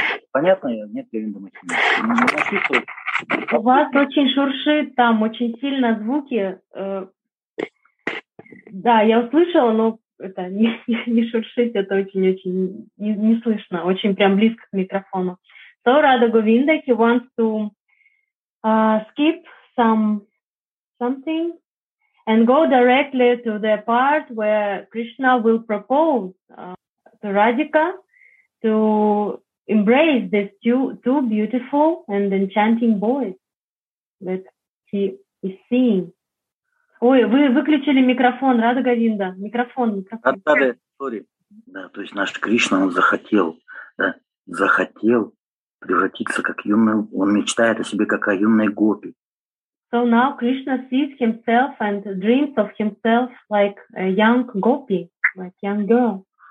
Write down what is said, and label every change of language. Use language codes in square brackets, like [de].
[ru] Понятно, я нет, Говинда Махини. У вас очень шуршит, там очень сильно звуки. Да, я услышала, но это не шуршит, это очень-очень не слышно, очень прям близко к микрофону. [en] So, Radha Govinda, he wants to skip something and go directly to the part where Krishna will propose to Radhika to embrace these two beautiful and enchanting boys that he is seeing. [ru] Ой, вы выключили микрофон, Радха Говинда. Микрофон. Да, сори. Да, то есть наш Кришна, он захотел, да, захотел превратиться как юный, он мечтает о себе как о юной гопи. [en] So now Krishna sees himself and dreams of himself like a young gopi, like young girl.